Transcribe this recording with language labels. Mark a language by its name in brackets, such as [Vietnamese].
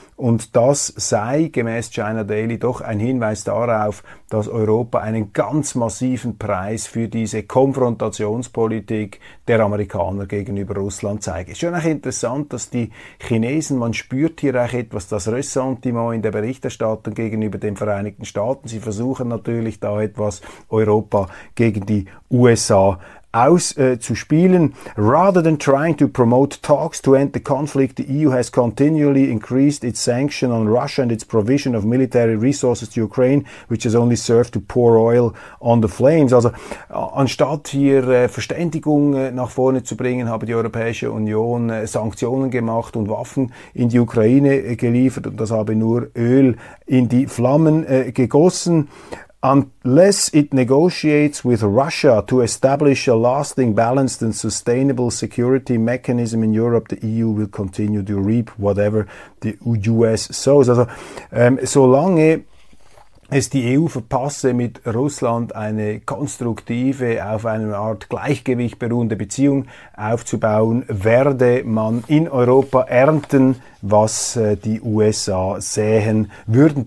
[German] Und das sei gemäß China Daily doch ein Hinweis darauf, dass Europa einen ganz massiven Preis für diese Konfrontationspolitik der Amerikaner gegenüber Russland zeige. Es ist schon auch interessant, dass die Chinesen, man spürt hier auch etwas das Ressentiment in der Berichterstattung gegenüber den Vereinigten Staaten. Sie versuchen natürlich da etwas Europa gegen die USA auszuspielen. [English] Rather than trying to promote talks to end the conflict, the EU has continually increased its sanction on Russia and its provision of military resources to Ukraine, which has only served to pour oil on the flames. [German] Also anstatt hier Verständigung nach vorne zu bringen, habe die Europäische Union Sanktionen gemacht und Waffen in die Ukraine geliefert und das habe nur Öl in die Flammen gegossen. [English] Unless it negotiates with Russia to establish a lasting, balanced and sustainable security mechanism in Europe, the EU will continue to reap whatever the US sows. [German] Also, solange es die EU verpasse, mit Russland eine konstruktive, auf einer Art Gleichgewicht beruhende Beziehung aufzubauen, werde man in Europa ernten, was die USA säen würden.